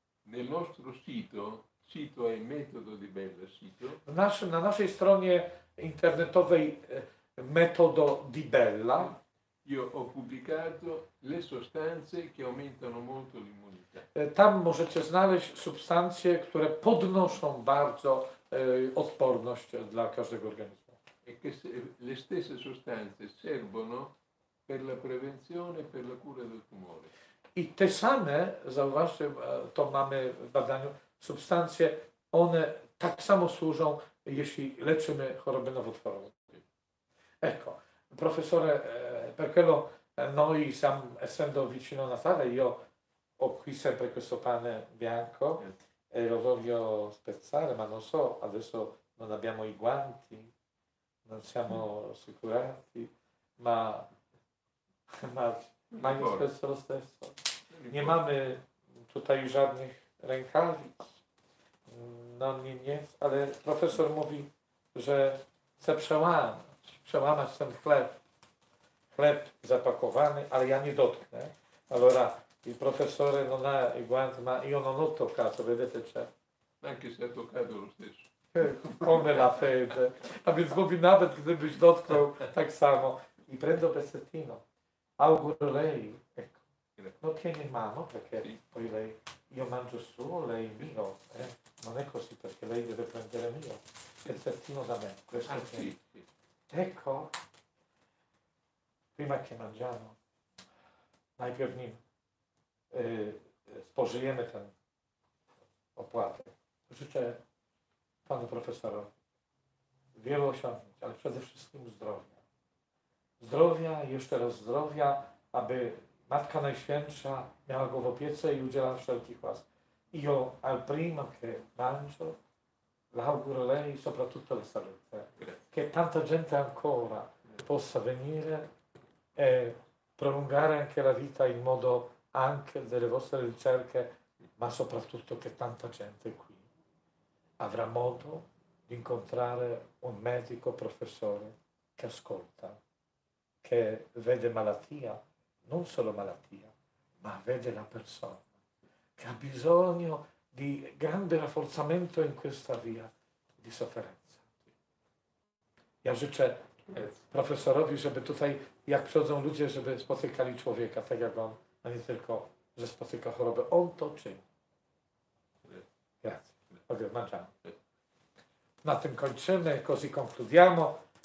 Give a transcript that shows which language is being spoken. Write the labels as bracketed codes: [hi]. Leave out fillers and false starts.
[it] Nel nostro sito, sito è metodo di Bella sito. [pl] Na naszej stronie internetowej metodo di Bella. [it] Io ho pubblicato le sostanze che aumentano molto l'immunità. [pl] Tam możecie znaleźć substancje, które podnoszą bardzo odporność dla każdego organizmu. [it] E che le stesse sostanze servono per la prevenzione e per la cura del tumore. [pl] I te same, zauważcie, to mamy w badaniu, substancje, one tak samo służą, jeśli leczymy chorobę nowotworową. [it] Ecco, profesore, perché noi siamo, essendo vicino a Natale, io ho qui sempre questo pane bianco e lo voglio spezzare, ma non so, adesso non abbiamo i guanti, non siamo assicurati, ma io spezzo lo stesso. [pl] Nie mamy tutaj żadnych rękawic, no nie, ale profesor mówi, że chce przełamać ten chleb. Chleb zapakowany, ale ja nie dotknę. [it] Allora, il professore non ha i guanti, ma io non ho toccato, vedete c'è. Anche se ha toccato lo stesso. Come la fede. [pl] A więc mówi, nawet gdybyś dotknął, tak samo. [it] I prendo pezzettino. Auguro lei. Ecco. No tieni mano, perché sì. Poi lei, io mangio suo, lei mio. Non è così, perché lei deve prendere mio. Pezzettino da me. Questo ah, sì. Ecco. Prima che mangiamo, [pl] najpierw nim spożyjemy ten opłatę. Życzę panu profesorowi wielu osiągnięć, ale przede wszystkim zdrowia. Zdrowia, jeszcze raz zdrowia, aby Matka Najświętsza miała go w opiece i udzielała wszelkich łask. [it] Io al primo che mangio, l'auguro lei, soprattutto la salute, che tanta gente ancora possa venire e prolungare anche la vita in modo anche delle vostre ricerche, ma soprattutto che tanta gente qui avrà modo di incontrare un medico professore che ascolta, che vede malattia, non solo malattia, ma vede la persona, che ha bisogno di grande rafforzamento in questa via di sofferenza. [pl] Ja życzę profesorowi, żeby tutaj, jak przychodzą ludzie, żeby spotykali człowieka, tak jak on, a nie tylko, że spotyka chorobę. On to czyni. [it] Grazie. [pl] Na tym kończymy, [it] così concludiamo.